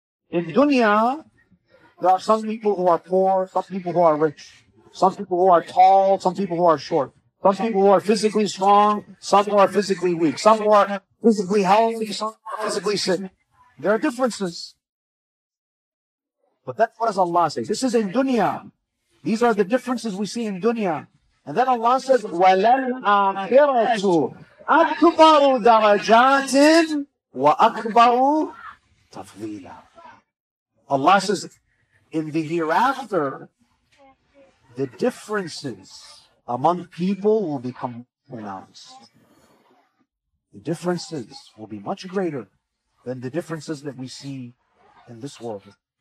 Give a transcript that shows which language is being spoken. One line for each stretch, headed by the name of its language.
English: In dunya, there are some people who are poor, some people who are rich, some people who are tall, some people who are short, some people who are physically strong, some who are physically weak, some who are physically healthy, some who are physically sick. There are differences. But then what does Allah say? This is in dunya. These are the differences we see in dunya. And then Allah says,
Arabic: وَلَلْ آخِرَةُ أَكْبَرُ دَرَجَاتٍ وَأَكْبَرُ تَفْضِيلًا.
English: Allah says, in the hereafter, the differences among people will become pronounced. The differences will be much greater than the differences that we see in this world.